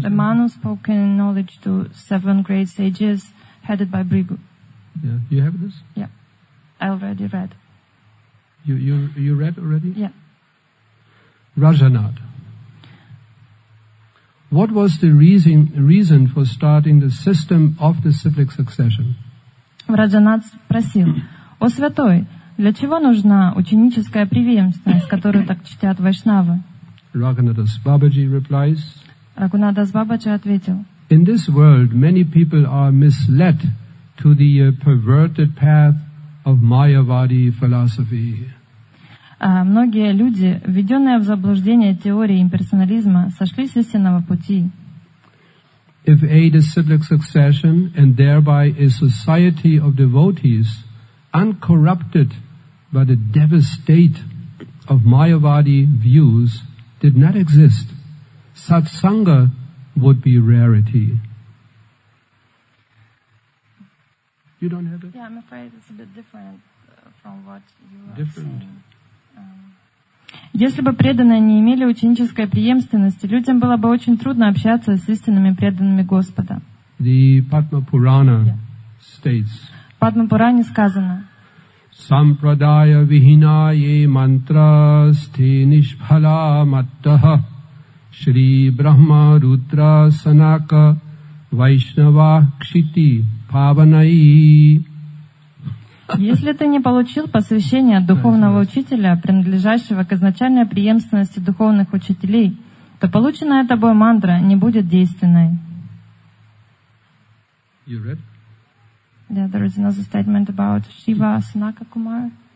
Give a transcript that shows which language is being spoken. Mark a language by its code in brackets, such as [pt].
[en] The Manu spoke in knowledge to seven great sages headed by Brihu. Yeah. You have this? Yeah. I already read. You read already? Yeah. Rajanad. What was the reason for starting the system of the cyclic succession? [ru] Раджанат спросил: «О святой, для чего нужна ученическая преемственность, которую так чтят вайшнавы?» [en] Raghunadas Babaji replies. [ru] Raghunadas Babaji ответил: [en] «In this world, many people are misled to the perverted path of Mayavadi philosophy». [ru] Многие люди, введенные в заблуждение теорией имперсонализма, сошли с истинного пути. [en] If a disciplic succession and thereby a society of devotees uncorrupted by the devastate of Mayavadi views did not exist, satsanga would be rarity. You don't have it? Yeah, I'm afraid it's a bit different from what you are different. Saying. [ru] Если бы преданные не имели ученической преемственности, людям было бы очень трудно общаться с истинными преданными Господа. [en] The Padma Purana states. [ru] В Падма Пуране сказано. [sa] Sampradaya vihinaye mantraste nishphala mattah Shri Brahma Rudra Sanaka Vaishnava Kshiti Pavanai. [ru] Если ты не получил посвящение от духовного учителя, принадлежащего к изначальной преемственности духовных учителей, то полученная тобой мантра не будет действенной. [en] You read? Yeah, there is another statement about Shiva Sanaka Kumar.